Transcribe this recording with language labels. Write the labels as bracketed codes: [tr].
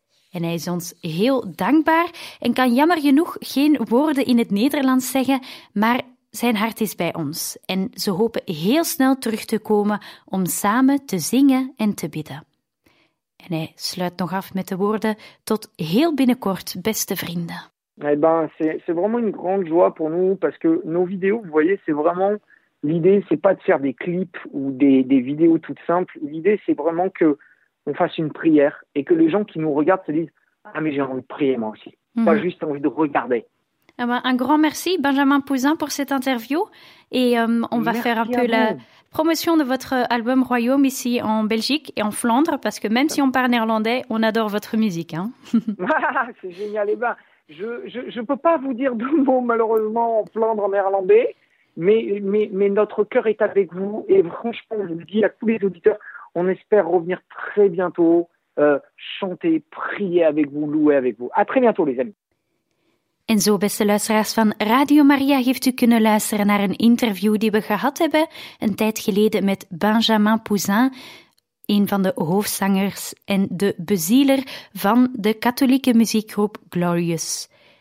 [nl] En hij is ons heel dankbaar en kan jammer genoeg geen woorden in het Nederlands zeggen, maar Zijn hart is bij ons en ze hopen heel snel terug te komen om samen te zingen en te bidden. En hij sluit nog af met de woorden: tot heel binnenkort, beste vrienden. [fr] Eh ben, c'est vraiment une grande joie pour nous parce que nos vidéos, vous voyez, c'est vraiment l'idée, c'est pas de faire des clips ou des vidéos toutes simples. L'idée, c'est vraiment que on fasse une prière et que les gens qui nous regardent se disent: ah mais j'ai envie de prier moi aussi, mm-hmm. pas juste envie de regarder. Eh ben, un grand merci Benjamin Pouzin pour cette interview et on va merci faire un peu la promotion de votre album Royaume ici en Belgique et en Flandre parce que même si on parle néerlandais, on adore votre musique. Hein. C'est génial. Eh ben, je ne peux pas vous dire deux mots malheureusement en Flandre, en néerlandais, mais notre cœur est avec vous et franchement, je le dis à tous les auditeurs, on espère revenir très bientôt chanter, prier avec vous, louer avec vous. À très bientôt les amis. [nl] En zo, beste luisteraars van Radio Maria, heeft u kunnen luisteren naar een interview die we gehad hebben een tijd geleden met Benjamin Pouzin, een van de hoofdzangers en de bezieler van de katholieke muziekgroep Glorious.